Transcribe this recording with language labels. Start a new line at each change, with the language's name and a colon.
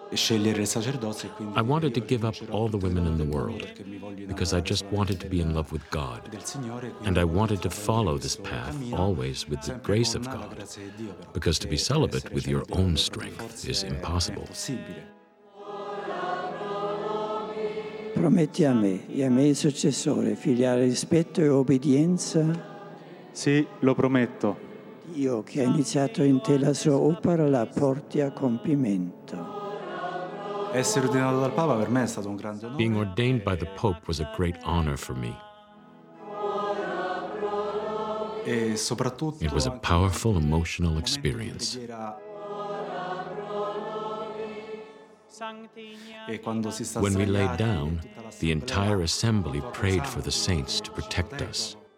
English: I wanted to give up all the women in the world because I just wanted to be in love with God. And I wanted to follow this path always with the grace of God, because to be celibate with your own strength is impossible.
Italian: Prometti a me e ai miei successori filiale rispetto e obbedienza? Sì, lo prometto. Dio, che ha iniziato in te la sua opera, la porti a compimento. Essere ordinato dal Papa per me è stato un grande onore.
English: Being ordained by the Pope was a great honor for me.
Italian: E soprattutto
English: it was a powerful emotional experience. When we laid down, the entire assembly prayed for the saints to protect us.